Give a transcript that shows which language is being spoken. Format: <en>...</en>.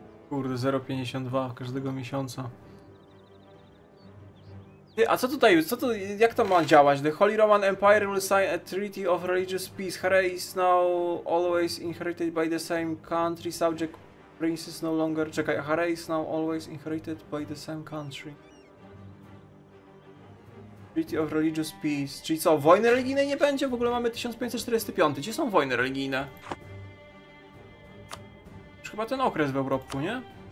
<pl>Kurde, 0,52 każdego miesiąca. Ty, a co tutaj, co to, jak to ma działać?</pl> <en>The Holy Roman Empire will sign a treaty of religious peace. Here is now always inherited by the same country. Subject princes no longer...</en> <pl>Czekaj,</pl> <en>here is now always inherited by the same country. Treaty of religious peace.</en> <pl>Czyli co, wojny religijnej nie będzie? W ogóle mamy 1545. Gdzie są wojny religijne? Chyba ten okres w Europie, nie?</pl>